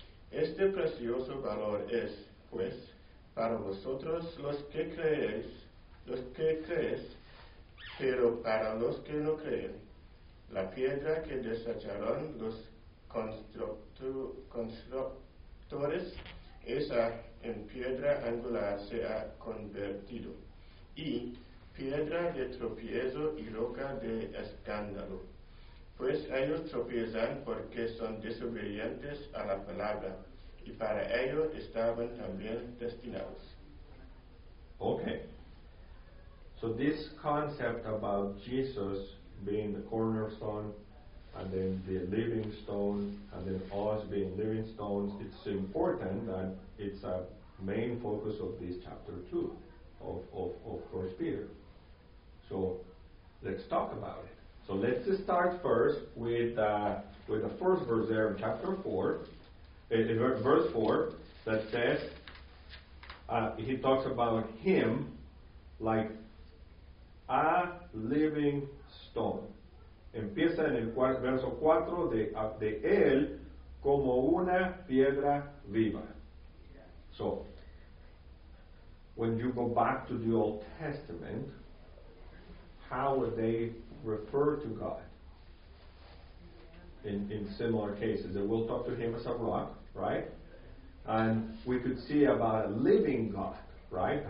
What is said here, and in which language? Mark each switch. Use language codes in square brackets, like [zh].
[es] Este precioso valor es, pues, para vosotros los que creéis, pero para los que no creen, la piedra que desecharon los constructores, esa en piedra angular se ha convertido, y piedra de tropiezo y roca de escándalo. Pues ellos tropiezan porque son desobedientes a la palabra, y para ello estaban también destinados. [en] Okay. So this concept about Jesus being the cornerstone, and then the living stone, and then us being living stones, it's important that it's a main focus of this chapter 2 of First Peter. So let's talk about it. So let's start first with the first verse there in chapter 4, verse 4, that says, he talks about him like a living stone. [es] Empieza en el verso 4 de él como una piedra viva. [en] So, when you go back to the Old Testament, how would they refer to God in similar cases? They will talk to him as a rock, right? And we could see about a living God, right?